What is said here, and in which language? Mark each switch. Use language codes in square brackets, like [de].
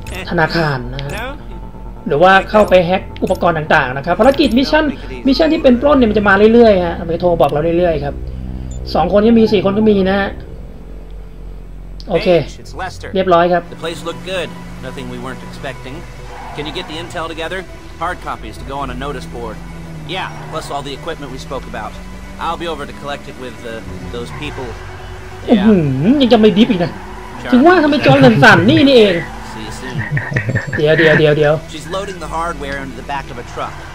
[th] ธนาคารนะฮะหรือว่าเข้าไปแฮกอุปกรณ์ต่างๆนะครับภารกิจมิชชั่นที่เป็นปล้นเนี่ยมันจะมาเรื่อยๆฮะมันจะโทรบอกเราเรื่อยๆครับ2คนก็มี4คนก็มีนะฮะโอเคเรียบร้อยครับ [en] The place looked good. Nothing we weren't expecting. Can you get the intel together? Hard copies to go on a notice board. Yeah, plus all the equipment we spoke about. I'll be over to collect it with those people. [th] ยังจะไม่ดิฟอีกนะถึงว่าทำไมจอนสั่นๆนี่เองเดี๋ยวเดี๋ยวเดี๋ยวเดี๋ยว [en] She's loading the hardware into the back of a truck.